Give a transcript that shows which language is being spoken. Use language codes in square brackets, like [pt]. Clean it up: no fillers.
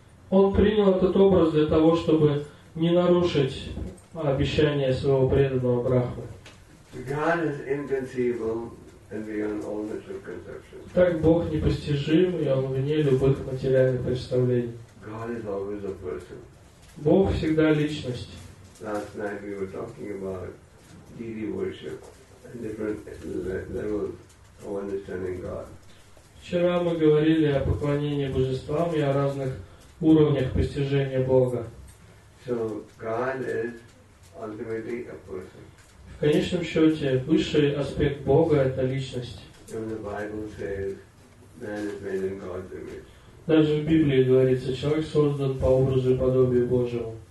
[ru] Он принял этот образ для того, чтобы не нарушить обещания своего преданного Брахмы. [en] God is inconceivable and beyond all material conceptions. [ru] Так Бог непостижим, и он вне любых материальных представлений. [en] God is always a person. [ru] Бог всегда личность. [en] Last night we were talking about deity worship and different levels of understanding God. [ru] Вчера мы говорили о поклонении божествам и о разных уровнях постижения Бога. [en] So God is ultimately a person. [ru] В конечном счете, высший аспект Бога – это личность. Даже в Библии говорится, человек создан по образу и подобию Божьему.